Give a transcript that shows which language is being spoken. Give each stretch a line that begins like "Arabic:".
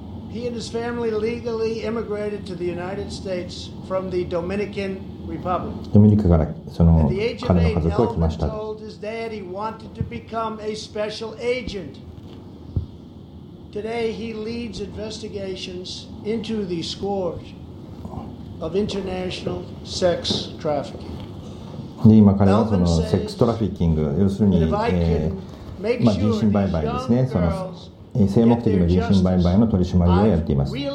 English: He and his family legally immigrated to the United States from the Dominican Republic.
Japanese: ドミニカからその彼の家族が来ました。
English: He told his dad he wanted to become a special agent. Today he leads investigations into the scourge of international sex trafficking.
Japanese: で今彼はそのセックストラフィッキング要するに、まあ、人身売買ですねその性目的の人身売買の取り締まりをやっています。